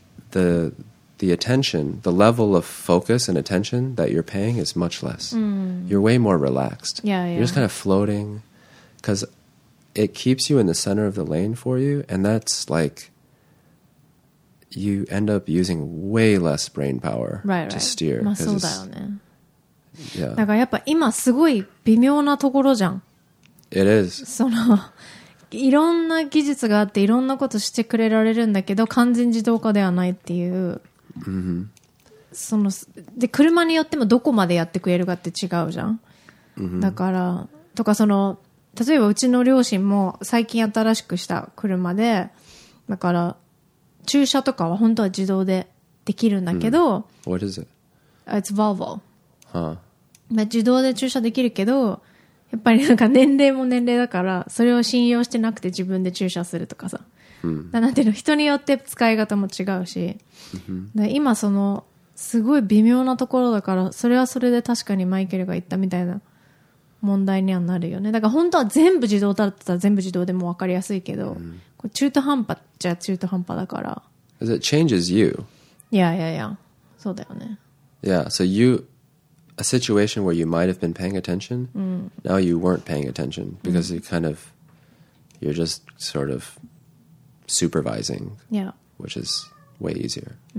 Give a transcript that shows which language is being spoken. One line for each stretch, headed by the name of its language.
English: The attention, the level of focus and attention that you're paying is much less. Mm. You're way more relaxed. Yeah. You're just kind of floating because it keeps you in the center of the lane for you. And that's like, you end up using way less brain power to steer.
Japanese: まあそうだよね。
English: Yeah.
Japanese: だからやっぱ今すごい微妙なところじゃん。
English: It is.
Japanese: その、いろんな技術があっていろんなことしてくれられるんだけど完全自動化ではないっていう。 Mm-hmm. そので車によってもどこまでやってくれるかって違うじゃん、 mm-hmm. だからとかその例えばうちの両親も最近新しくした車でだから駐車とかは本当は自動でできるんだけど、
English: mm-hmm. What is it? It's Volvo、 huh.
Japanese: まあ、自動で駐車できるけどやっぱりなんか年齢も年齢だからそれを信用してなくて自分で駐車するとかさなんていうの人によって使い方も違うし、で今そのすごい微妙なところだからそれはそれで確かにマイケルが言ったみたいな問題にはなるよね。だから本当は全部自動だったら全部自動でも分かりやすいけど、これ中途半端じゃ中途半端だから。
English: Because it changes you. Yeah, yeah, yeah.
Japanese: そうだよね。
English: Yeah, so you a situation where you might have been paying attention, now you weren't paying attention because you kind of you're just sort of supervising, yeah, which is way easier.